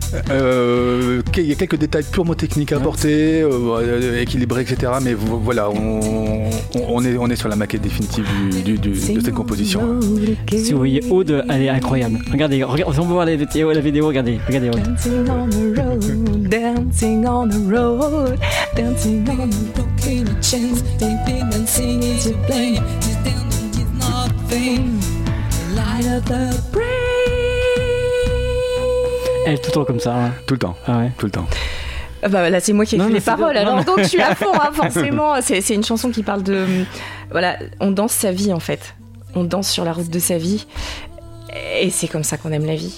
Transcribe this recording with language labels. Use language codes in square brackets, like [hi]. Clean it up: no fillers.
[fr] Il y a quelques détails purement techniques à apporter, équilibrés, etc. Mais voilà, on est sur la maquette définitive de cette composition. Si vous voyez Aude, elle est incroyable. Regardez, on peut voir la vidéo. Regardez Aude. [en] Dancing on the road, dancing on the road, dancing on the broken chains, dancing, dancing is to blame, dancing is not fame. [fr] Elle tout le temps comme ça. Hein. Tout le temps. Ah ouais. Tout le temps. Bah là c'est moi qui ai écrit les paroles. Alors donc je suis à fond, hein, forcément. C'est une chanson qui parle de voilà, on danse sa vie en fait. On danse sur la route de sa vie. Et c'est comme ça qu'on aime la vie.